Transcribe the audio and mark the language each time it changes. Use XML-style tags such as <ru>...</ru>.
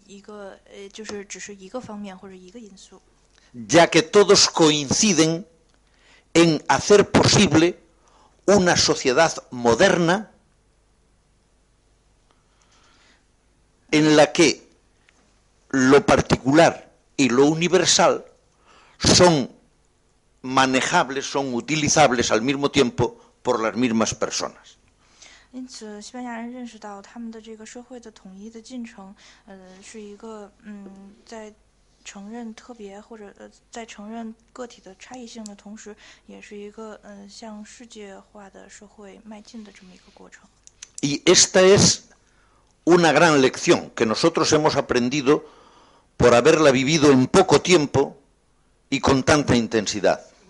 <zh>西班牙人认识到了他们的这个多样性只是一个方面或者一个因素。</zh> <es>Ya que todos coinciden en hacer posible una sociedad moderna en la que lo particular y lo universal son manejables, son utilizables al mismo tiempo por las mismas personas.</es> <zh>因此西班牙人认识到他们的这个社会的统一的进程，是一个在承认特别或者在承认个体的差异性的同时，也是一个向世界化的社会迈进的这么一个过程。</zh> <es>Y esta es una gran lección que nosotros hemos aprendido por haberla vivido en poco tiempo y con tanta intensidad.</es>